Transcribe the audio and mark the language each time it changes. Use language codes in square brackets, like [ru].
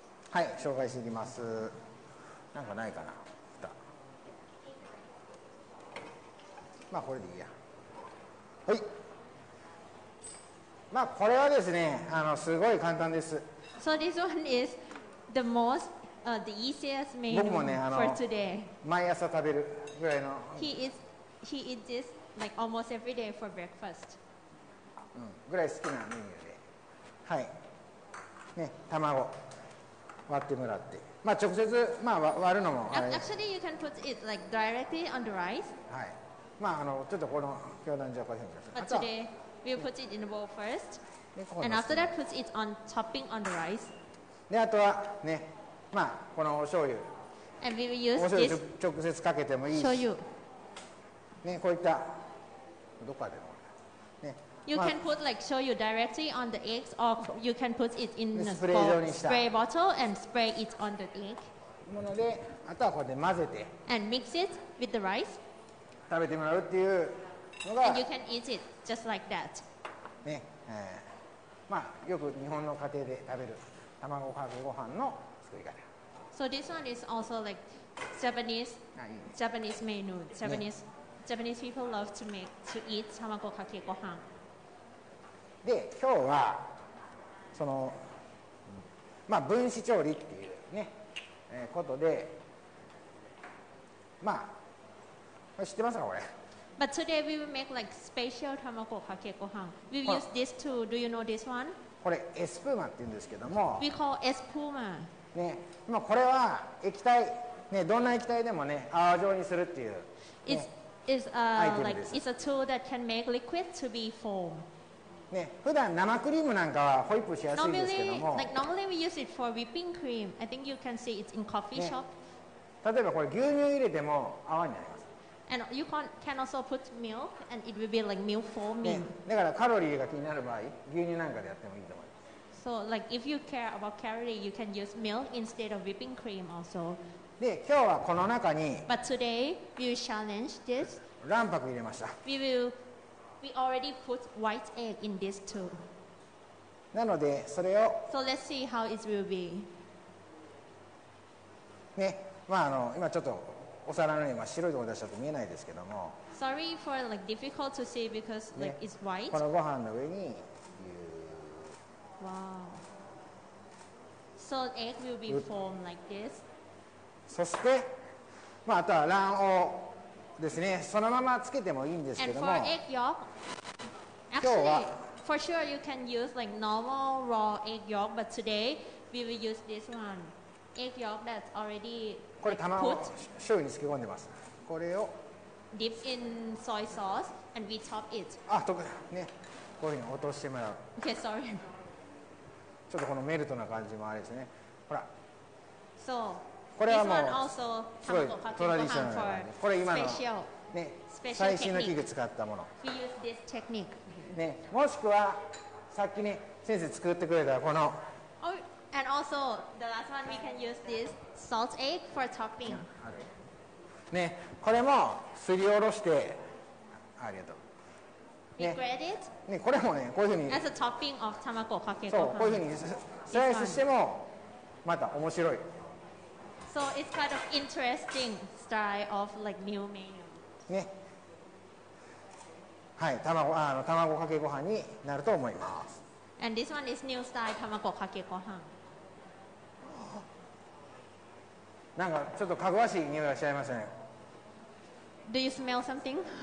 [ja] はい、紹介していきます。なんかないかな。まあこれでいいや。はい。まあこれはですね、すごい簡単です。 [en] So this one is the most, the easiest menu for today. [ja] 僕もね、毎朝食べるぐらいの。 [en] He eats this like almost every day for breakfast. [ja] うん、ぐらい好きなメニューで。はい。ね、卵割ってもらって。まあ直接、まあ割るのもあれ。 [en] Actually, you can put it like directly on the rice. [ja] はい。まあ、ちょっとこの教団じゃこういうふうにします。 [en] But today, we'll put it in the bowl first. And after that, put it on topping on the rice. [ja] で、あとはね、まあ、このお醤油。 [en] And we will use this [ja] 直接かけてもいいし。醤油。ね、こういった、どこかでも。ね、 [en] you can put like醤油directly on the eggs, or you can put it in a bowl, spray bottle and spray it on the egg. [ja] もので、あとはこうやって混ぜて。 [en] And mix it with the rice. [ja] 食べてもらうっていうのが、 [en] and you can eat it just like that. [ja] ね、まあよく日本の家庭で食べる卵かけご飯の作り方。 [en] So this one is also like Japanese menu. Japanese people love to eat 卵かけご飯。 [ja] で、今日はそのまあ分子調理っていうね、ことで、まあ。知ってますかこれ。 [en] But today we will make like special tamago kake gohan. We will use this too. Do you know this one? [ja] これエスプーマって言うんですけども。 [en] We call エスプーマ。 [ja] ね、まあこれは液体、ね、どんな液体でもね、泡状にするっていう、ね。 [en] It's a tool that can make liquid to be form. [ja] ね、普段生クリームなんかはホイップしやすいんですけども。 [en] Normally we use it for whipping cream. I think you can see it in coffee shop.、 [ja] ね、例えばこれ牛乳入れても泡になります。 [en] And you can also put milk, and it will be like milk for me. [ja] だからカロリーが気になる場合、牛乳なんかでやってもいいと思います。 [en] So like if you care about calorie, you can use milk instead of whipping cream also. [ja] で、今日はこの中に、 [en] But today we challenge this. [ja] 卵白入れました。 [en] We already put white egg in this too. [ja] なのでそれを、 [en] So let's see how it will be. [ja] ね、まああの今ちょっと。お皿の今白いとこ出したと見えないですけども [en] Sorry for like difficult to see because like it's white [ja] このご飯の上に [en] Wow So egg will be formed like this [ja] そして、まあ、あとは卵黄ですねそのままつけてもいいんですけども [en] And for egg yolk Actually for sure you can use like normal raw egg yolk but today we will use this one egg yolk that's alredy [ja] これ卵を醤油に漬け込んでます。これを [en] dip in soy sauce and we top it。 [ja] あ、とくね、こういうふうに落としてもらう。 [en] Okay, sorry。 [ja] ちょっとこのメルトな感じもあれですね。ほら。 [en] So, [ja] これはもう [en] this one also [ja] すごいトラディショナルな感じ。これ今の [en] special, [ja] ね [en] special [ja] 最新の器具使ったもの。 [en] We use this technique。 [ja] ね、もしくはさっきね先生作ってくれたこの。 [en] Oh, and also the last one we can use this. Salt egg for topping. [ja] ね、これもすりおろして、ありがとう。 [en] ね、We grate it. [ja] ね、これもね、こういうふうに。 [en] As a topping of tamago kake gohan. [ja] そう、こういうふうにスライスしても、また面白い。 [en] So it's kind of interesting style of like new menu. [ja] ね。はい、卵かけご飯になると思います。 [en] And this one is new style tamago kake gohan. [ja] なんかちょっとかぐわしい匂いがしちゃいましたね。 [en] Do you smell something?